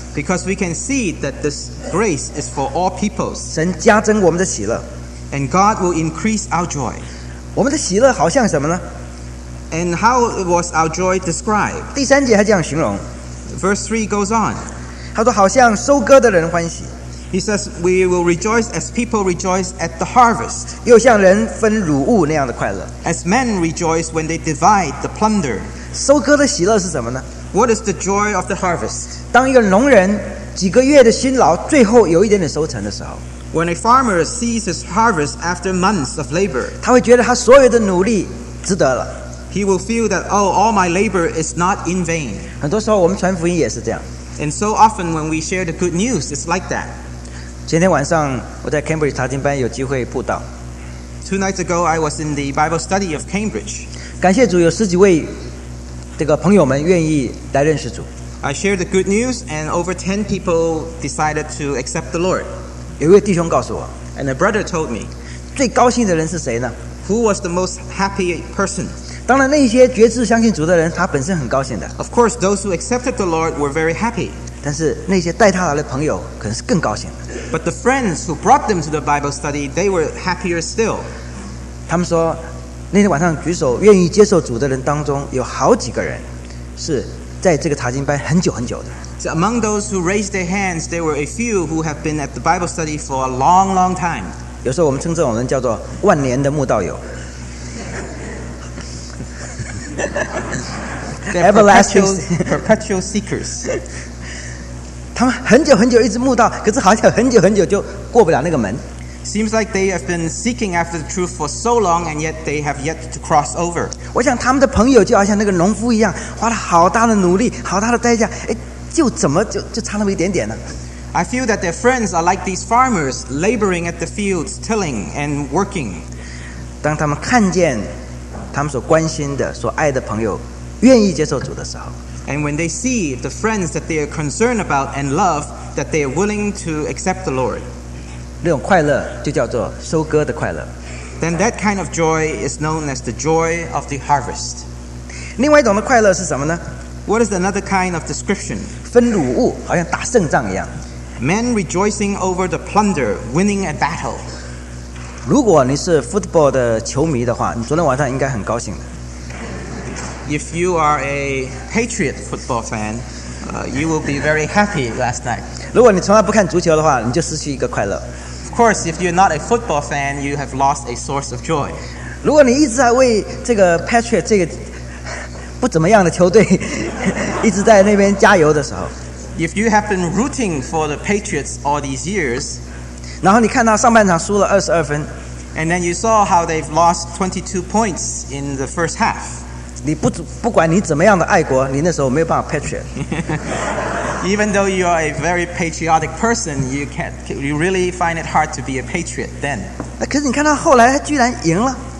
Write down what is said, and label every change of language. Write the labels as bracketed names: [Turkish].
[English] Because we can see that this grace is for all peoples. [Chinese] 神加增我们的喜乐。 [English] And God will increase our joy. [Chinese] 我们的喜乐好像什么呢？ [English] And how was our joy described? [Chinese] 第三节还这样形容。 [English] Verse 3 goes on. [Chinese] 他说好像收割的人欢喜。 [English] He says, we will rejoice as people rejoice at the harvest. [Chinese] 又像人分乳物那样的快乐。 [English] As men rejoice when they divide the plunder. [Chinese] 收割的喜乐是什么呢？ [English] What is the joy of the harvest? [Chinese] 当一个农人几个月的辛劳最后有一点点收成的时候。 [English] When a farmer sees his harvest after months of labor. [Chinese] 他会觉得他所有的努力值得了。 [English] He will feel that, oh, all my labor is not in vain. [Chinese] 很多时候我们传福音也是这样。 [English] And so often when we share the good news, it's like that. [Chinese] 今天晚上我在 Cambridge 查经班有机会布道。 [English] Two nights ago, I was in the Bible study of Cambridge. [Chinese] 感谢主有十几位这个朋友们愿意来认识主。 [English] I shared the good news, and over 10 people decided to accept the Lord. [Chinese] 有一位弟兄告诉我。 [English] And a brother told me. [Chinese] 最高兴的人是谁呢？ [English] Who was the most happy person? [Chinese] 当然，那些决志相信主的人，他本身很高兴的。 [English] Of course, those who accepted the Lord were very happy. [Chinese] 但是那些带他来的朋友可能是更高兴的。 [English] But the friends who brought them to the Bible study, they were happier still. [Chinese] 他们说，那天晚上举手愿意接受主的人当中，有好几个人是在这个查经班很久很久的。 [English] So among those who raised their hands, there were a few who have been at the Bible study for a long, long time. [Chinese] 有时候我们称这种人叫做万年的慕道友。 [English] Perpetual seekers. [Chinese] 他们很久很久一直慕道，可是好像很久很久就过不了那个门。 [English] Seems like they have been seeking after the truth for so long, and yet they have yet to cross over. [Chinese] 我想他们的朋友就好像那个农夫一样，花了好大的努力，好大的代价，哎，就怎么就差那么一点点呢？ [English] I feel that their friends are like these farmers, laboring at the fields, tilling and working. [Chinese] 当他们看见他们所关心的、所爱的朋友愿意接受主的时候， [English] and when they see the friends that they are concerned about and love, that they are willing to accept the Lord, [Chinese] 那种快乐就叫做收割的快乐。 [English] Then that kind of joy is known as the joy of the harvest. [Chinese] 另外一种的快乐是什么呢？ [English] What is another kind of description? [Chinese] 分乳物，好像打胜仗一样。 [English] Men rejoicing over the plunder, winning a battle. [Chinese] 如果你是 football 的球迷的话，你昨天晚上应该很高兴的。 [English] If you are a patriot football fan, you will be very happy last night. [Chinese] 如果你从来不看足球的话，你就失去一个快乐。 [English] Of course, if you're not a football fan, you have lost a source of joy. [Chinese] 如果你一直在为这个 patriot 这个不怎么样的球队一直在那边加油的时候 [English] ，If you have been rooting for the Patriots all these years. [Chinese] 然后你看到上半场输了22分 [English] And then you saw how they've lost 22 points in the first half. [Chinese] 你 不管你怎么样的爱国，你那时候没有办法 patriot. [English] Even though you are a very patriotic person, you really find it hard to be a patriot then. [Chinese] 可是你看到后来他居然赢了。